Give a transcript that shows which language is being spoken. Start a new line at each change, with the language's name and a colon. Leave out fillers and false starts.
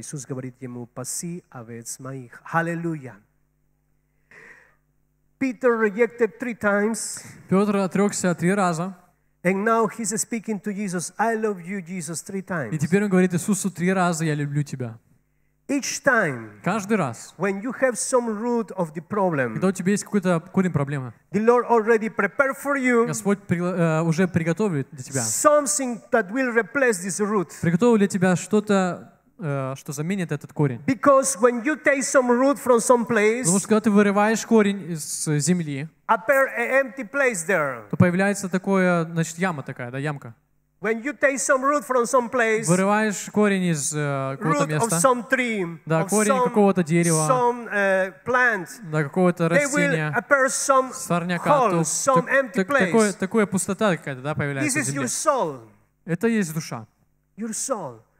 Russian: Иисус говорит ему: «Паси овец моих». Аллилуйя!
English: Peter rejected three times.
Russian: Петр отрекся три раза.
English: And now he's speaking to Jesus: «I love you, Jesus», three times.
Russian: И теперь он говорит Иисусу три раза: «Я люблю тебя».
English: Each time,
Russian: каждый раз,
English: when you have some root of the problem,
Russian: когда у тебя есть какой-то корень проблемы,
English: the Lord already prepared for you,
Russian: Господь уже приготовил для тебя
English: something that will replace this root.
Russian: Приготовил для тебя что-то, что заменит этот корень.
English: Because when you take some root from some place,
Russian: потому что когда ты вырываешь корень из земли,
English: appear an empty place there.
Russian: То появляется такое, значит, яма такая, да, ямка.
English: When you take some root from some place,
Russian: вырываешь корень из какого-то места,
English: root of some tree,
Russian: да,
English: of
Russian: корень
English: some,
Russian: какого-то дерева,
English: some, plant,
Russian: да, какого-то растения, сорняка, такая пустота какая-то, да, появляется.
English: This is your soul.
Russian: Это есть душа.
English: Your soul.